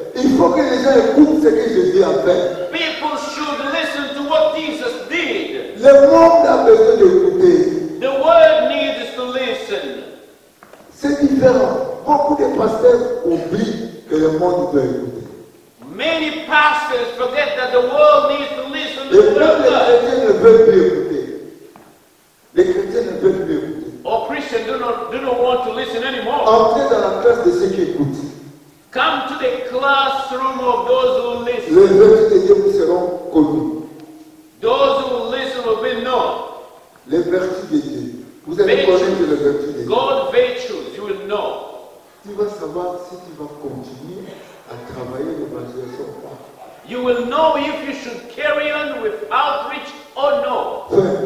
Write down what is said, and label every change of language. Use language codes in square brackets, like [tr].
[fr] Il faut que les gens écoutent ce que Jésus a fait. [en] People should listen to what Jesus did. [fr] Le monde a besoin d'écouter. [en] The world needs to listen. [fr] C'est différent. Beaucoup de pasteurs oublient que le monde doit écouter. [en] Many pastors forget that the world needs to listen to the [fr] Lord. Les chrétiens ne veulent plus écouter. Les chrétiens ne veulent plus écouter. [en] Or Christians do not want to listen anymore. [fr] Entrez dans la classe de ceux qui écoutent. [en] Come to the classroom of those who listen. [fr] Les œuvres de Dieu vous seront connues. [en] Those who listen will be known. [fr] Les vertus de Dieu. Vous allez connaître les vertus de Dieu. [en] God's virtues, you will know. [fr] Tu vas savoir si tu vas continuer à travailler l'évangélisation ou pas. [en] You will know if you should carry on with outreach or no.